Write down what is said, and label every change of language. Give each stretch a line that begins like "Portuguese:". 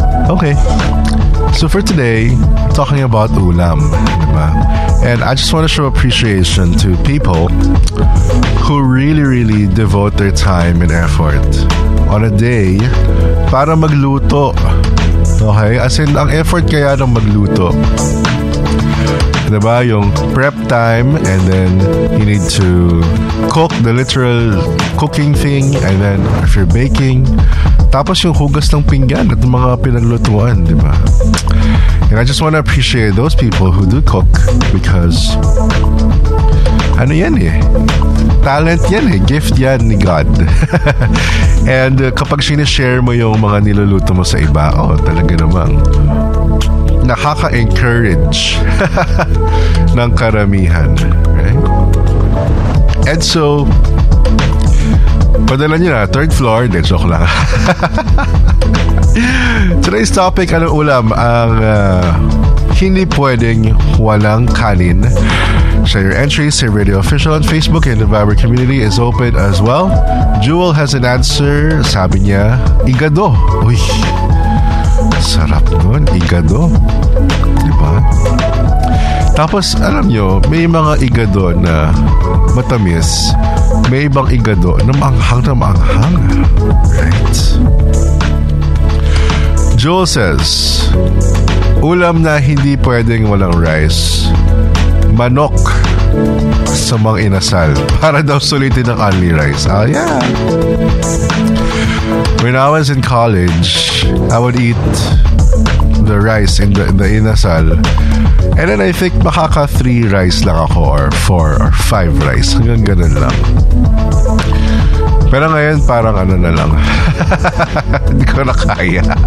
English: Okay. So for today, talking about ulam. And I just want to show appreciation to people who really, really devote their time and effort on a day
Filipino: para magluto.
English: Okay? As in,
Filipino: ang effort kaya ng magluto.
English: na ba? Yung prep time, and then you need to cook the literal cooking thing, and then if you're baking,
Filipino: tapos yung hugas ng pinggan at mga pinaglutuan, di ba?
English: And I just want to appreciate those people who do cook, because
Filipino: ano yan eh? Talent yan eh. Gift yan ni God. And kapag sinishare mo yung mga niluluto mo sa iba, oh, talaga namang nakaka-encourage ng karamihan. Right? And so, padala nyo na, third floor, de joke lang. Today's topic, anong ulam? Ang hindi pwedeng walang kanin.
English: Share your entries. Save Radio Official on Facebook, and the Viber community is open as well.
Filipino: Jewel has an answer. Sabi niya, igado. Uy, sarap nun, igado. Diba? Tapos, alam nyo, may mga igado na matamis. May ibang igado na maanghang na maanghang. Right? Jewel says, ulam na hindi pwedeng walang rice. Manok sa mga inasal para daw sulitin ng only rice.
English: Oh, yeah. When I was in college, I would eat the rice in the inasal. And then I think
Filipino: makaka 3 rice lang ako, or 4 or 5 rice. Hanggang ganun lang. Pero ngayon, parang ano na lang. Hindi ko na kaya.